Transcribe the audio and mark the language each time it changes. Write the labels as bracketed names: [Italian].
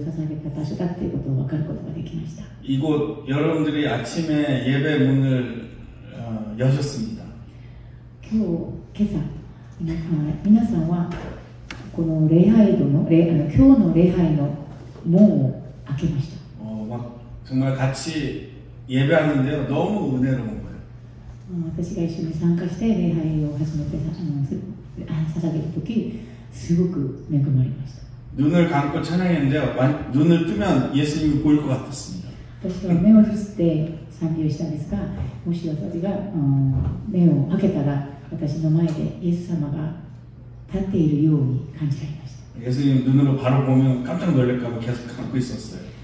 [Japanese] そこでもうすでにいろんな人の大勢の人々がその場所で神様に礼拝してお祈りを捧げた場所だということを分かることができました。 [Korean] 이곳 여러분들이 아침에 예배 문을 여셨습니다. [Japanese] 今朝皆さんはこの礼拝堂の今日の礼拝の門を開けました。 [Korean] 막 정말 같이 예배하는데요. 너무 은혜로운 거예요. [Japanese] 私が一緒に参加して礼拝を始めて捧げる時すごく恵まれました。 [Korean] 눈을 감고 찬양했는데요. 눈을 뜨면 예수님이 보일 것 같았습니다. [Japanese] 私は目を閉じて賛美をしたんですが、もし私が目を開けたら 私の前でイエス様が立っているように感じられました。 [Korean] 예수님 눈으로 바로 보면 깜짝 놀랄까봐 계속 감고 있었어요.